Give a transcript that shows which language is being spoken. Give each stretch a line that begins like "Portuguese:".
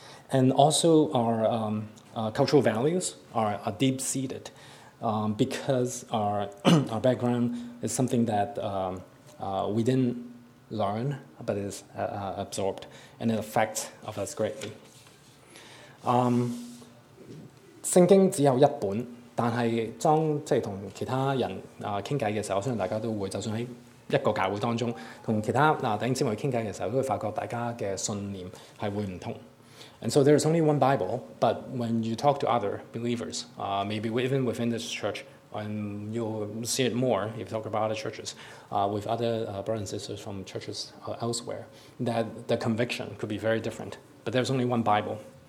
English: And also our cultural values are deep seated, because our background is something that we didn't learn, but is absorbed, and it affects of us greatly.
Cantonese: 聖經只有一本，但係當即係同其他人傾偈嘅時候，我相信大家都會，就算喺一個教會當中同其他弟兄姊妹傾偈嘅時候，都會發覺大家嘅信念係會唔同。
English: And so there is only one Bible, but when you talk to other believers, maybe even within this church, and you'll see it more if you talk about other churches, with other brothers and sisters from churches elsewhere, that the conviction could be very different. But there's only one Bible.